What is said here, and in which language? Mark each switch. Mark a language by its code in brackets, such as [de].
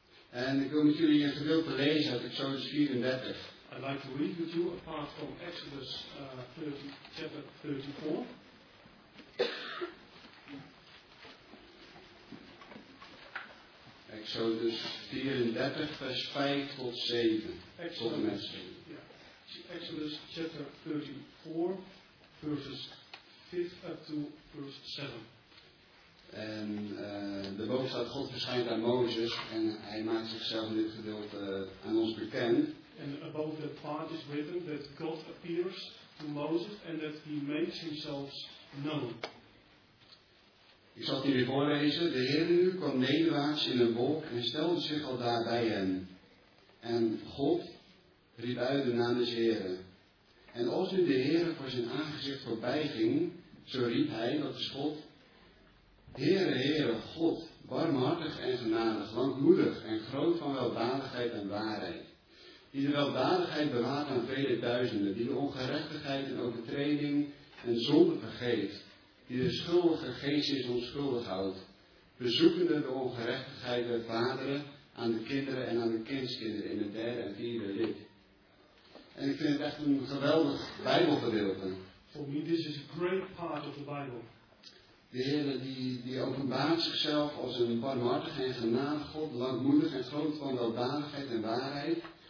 [nl] En ik wil met jullie een gedeelte lezen uit Exodus 34. [en] I'd like to read with you apart from Exodus 30, chapter 34. [nl] Exodus 34, vers 5 tot 7. Exodus, tot [en] yeah. Exodus chapter 34, verses 5 up to verse 7. [nl] En de boodschap God verschijnt aan Mozes en hij maakt zichzelf in dit gedeelte aan ons bekend. [en] And above that part is written that God appears to Moses and that he makes himself known. [nl] Ik zal het jullie voorlezen. De Heer nu kwam nederwaarts in een wolk en stelde zich al daar bij hen. En God riep uit de naam des Heeren. En als nu de Heer voor zijn aangezicht voorbij ging, zo riep hij, dat is God. Heere, Heere, God, barmhartig en genadig, langmoedig en groot van weldadigheid en waarheid. Die de weldadigheid bewaart aan vele duizenden, die de ongerechtigheid en overtreding en zonde vergeeft. Die de schuldige geest in zijn onschuldig houdt, bezoekende de ongerechtigheid der vaderen aan de kinderen en aan de kindskinderen in het derde en vierde lid. En ik vind het echt een geweldig Bijbelgedeelte. [en] For me, this is a great part of the Bible. [nl] De Heer die openbaart zichzelf als een barmhartig en genadig God, langmoedig en groot van weldadigheid en waarheid.